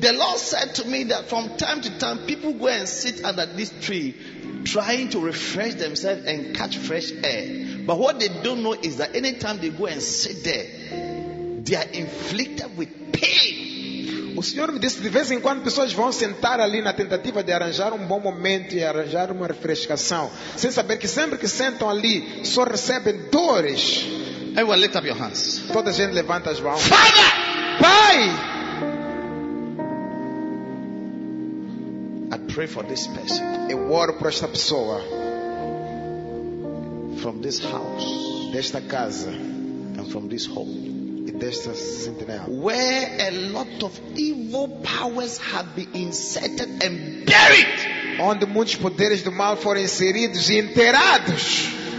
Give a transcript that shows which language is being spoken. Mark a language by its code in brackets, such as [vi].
[en] The Lord said to me that from time to time people go and sit under this tree trying to refresh themselves and catch fresh air. But what they don't know is that anytime they go and sit there, they are inflicted with pain. [pt] O Senhor me disse de vez em quando pessoas vão sentar ali na tentativa de arranjar um bom momento e arranjar uma refrescação, sem saber que sempre que sentam ali só recebem dores. [en] Everyone lift up your hands. [pt] Toda a gente levanta as mãos. [en] Father! [pt] Pai! [en] Pray for this person. [pt] Eu oro por esta pessoa. [en] From this house. [pt] Desta casa. [en] And from this home. [pt] E desta sentinela. [en] Where a lot of evil powers have been inserted and buried. [pt] Onde muitos poderes do mal foram inseridos e enterrados.